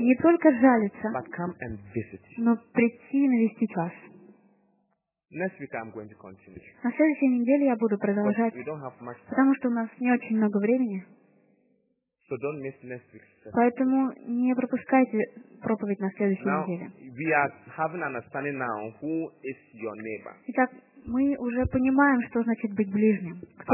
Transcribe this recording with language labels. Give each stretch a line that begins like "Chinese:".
Russian: не только жалиться, но прийти и навестить вас.
English: Next week I'm going to continue.
Russian: На следующей неделе я буду продолжать,
English: we don't have much time.
Russian: Потому что у нас не очень много времени.
English: So don't miss next week.
Russian: Поэтому не пропускайте проповедь на следующей
English: now,
Russian: неделе.
English: We are having understanding now who is your neighbor.
Russian: Итак, мы уже понимаем, что значит быть ближним. Кто